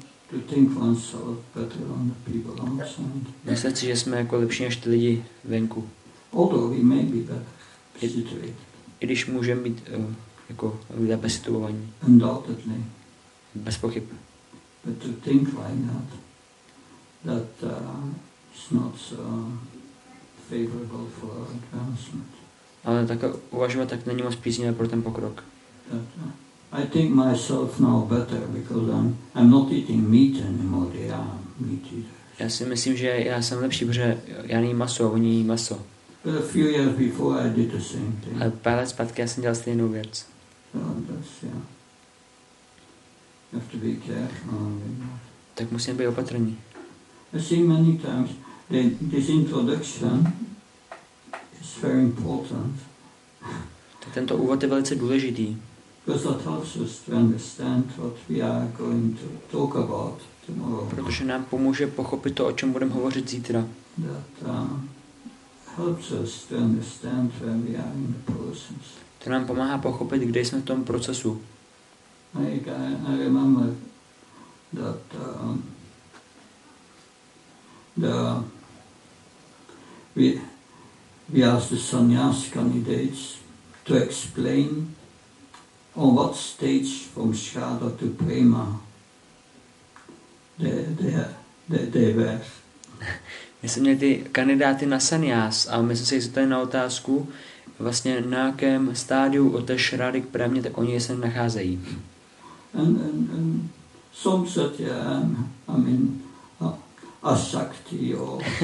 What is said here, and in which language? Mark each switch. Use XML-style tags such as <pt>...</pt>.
<en>To think oneself better than the people outside.</en> <cs>Myslím si, že jsme jako lepší než ty lidi venku.</cs> <en>Although we may be better situated.</en> <cs>I když můžeme být jako lépe situovaní.</cs> <en>Undoubtedly.</en> <cs>Bez pochyb.</cs> <en>But to think like that, it's not so favorable for our advancement.</en> <cs>Ale tak uvažovat, tak není moc příznivé pro ten pokrok.</cs> <en>I think myself now better because I'm not eating meat anymore. Yeah, meat eaters.</en> <cs>Já si myslím, že já jsem lepší, protože já nejím maso, oni jí maso.</cs> <en>But a few years before I did the same thing.</en> <cs>Ale pár let zpátky já jsem dělal stejnou věc.</cs> <en>So, yeah. You have to be careful.</en> <cs>Tak musím být opatrný.</cs> <en>I see many times this introduction. It's very important.</en> <cs>Tak tento úvod je velice důležitý.</cs> <en>Because that helps us to understand what we are going to talk about tomorrow.</en> <cs>Protože nám pomůže pochopit to, o čem budeme hovořit zítra.</cs> <en>That helps us to understand where we are in the process.</en> <cs>To nám pomáhá pochopit, kde jsme v tom procesu.</cs> <en>I remember that we asked the sannyas candidates to explain on what stage from shraddha to prema they were.</en> <cs>My jsme měli ty kandidáty na sannyas a my jsme se zeptali na otázku vlastně na jakém stádiu od té šraddy k premě tak oni se nacházejí.</cs> <en>And some said, yeah, I mean, asakti or</en>